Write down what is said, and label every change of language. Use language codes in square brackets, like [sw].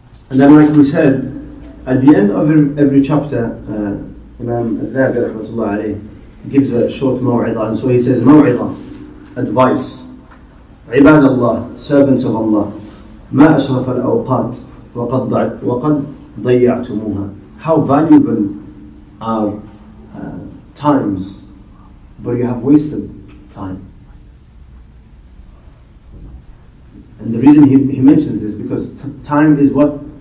[en] And then like we said, at the end of every chapter, Imam Al-Dhahabi rahmatullah alayhi gives a short maw'idah. And so he says, maw'idah, advice. [ar] عباد الله, [en] servants of Allah, [ar] ما أشرف الأوقات وقد ضيعتموها. [en] How valuable are times, but you have wasted time. And the reason he mentions this, because time is what?